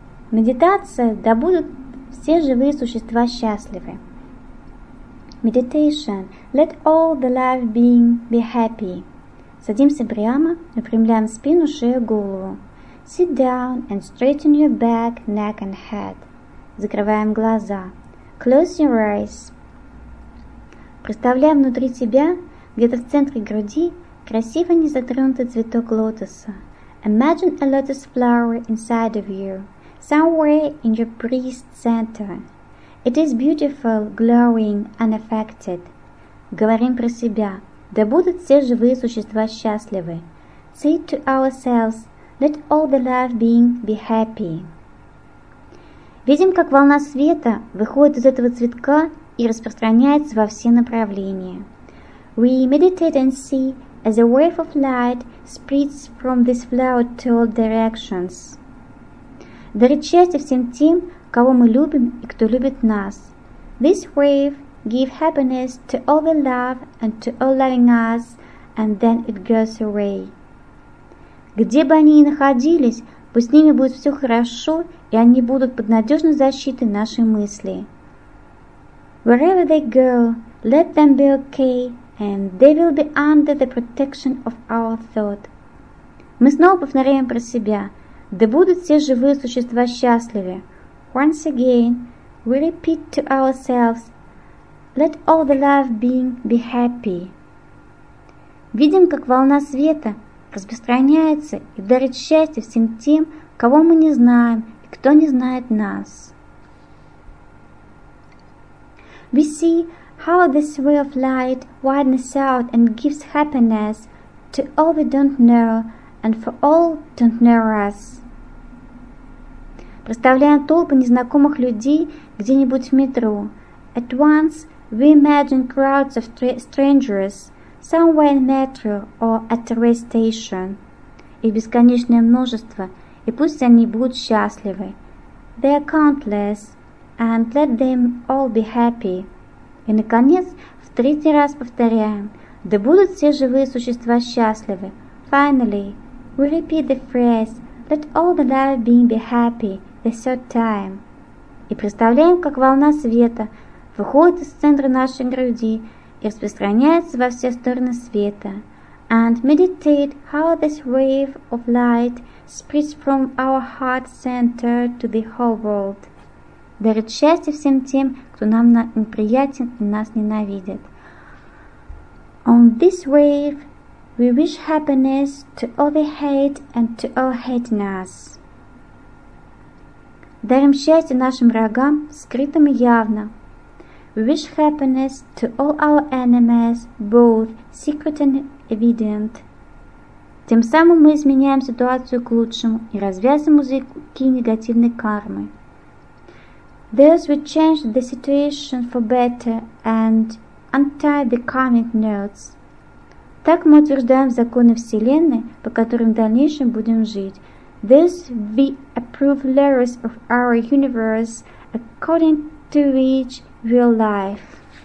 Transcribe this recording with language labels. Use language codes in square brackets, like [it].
[ru] Медитация, да будут все живые существа счастливы. [en] Meditation, let all the live beings be happy. [ru] Садимся прямо, выпрямляем спину, шею, голову. [en] Sit down and straighten your back, neck and head. [ru] Закрываем глаза. [en] Close your eyes. [ru] Представляем внутри себя, где-то в центре груди, красиво незатронутый цветок лотоса. [en] Imagine a lotus flower inside of you, somewhere in your breast center. It is beautiful, glowing, unaffected. [ru] Говорим про себя. Да будут все живые существа счастливы. [en] Say to ourselves, let all the live beings be happy. [ru] Видим, как волна света выходит из этого цветка и распространяется во все направления. [en] We meditate and see as a wave of light spreads from this flower to all directions. [ru] Дарит счастье всем тем, кого мы любим и кто любит нас. [en] This wave gives happiness to all we love and to all loving us, and then it goes away. [ru] Где бы они ни находились, пусть с ними будет все хорошо, и они будут под надежной защитой нашей мысли. [en] Wherever they go, let them be okay, and they will be under the protection of our thought. [ru] Мы снова повторяем про себя. Да будут все живые существа счастливы. [en] Once again, we repeat to ourselves, let all the live beings be happy. [ru] Видим, как волна света распространяется и дарит счастье всем тем, кого мы не знаем и кто не знает нас. [en] We see how this way of light widens out and gives happiness to all we don't know and for all don't know us. [ru] Представляем толпы незнакомых людей где-нибудь в метро. [en] At once we imagine crowds of strangers somewhere in metro or at a rest station. [ru] Их бесконечное множество, и пусть они будут счастливы. [en] They are countless, and let them all be happy. [ru] И, наконец, в третий раз повторяем. Да будут все живые существа счастливы. [en] Finally, we repeat the phrase, let all the live beings be happy. The third time. [ru] И представляем, как волна света выходит из центра нашей груди и распространяется во все стороны света. [en] And meditate how this wave of light spreads from our heart center to the whole world. [ru] Дарит счастье всем тем, кто нам неприятен и нас ненавидит. [en] On this wave, we wish happiness to all the hate and to all hating us. [ru] Дарим счастье нашим врагам, скрытым и явно. [en] We wish happiness to all our enemies, both secret and evident. [ru] Тем самым мы изменяем ситуацию к лучшему и развязываем узлы негативной кармы. [en] Thus we change the situation for better and untie the karmic knots. [ru] Так мы утверждаем законы Вселенной, по которым в дальнейшем будем жить. [en] This we approve laws of our universe according to which we live.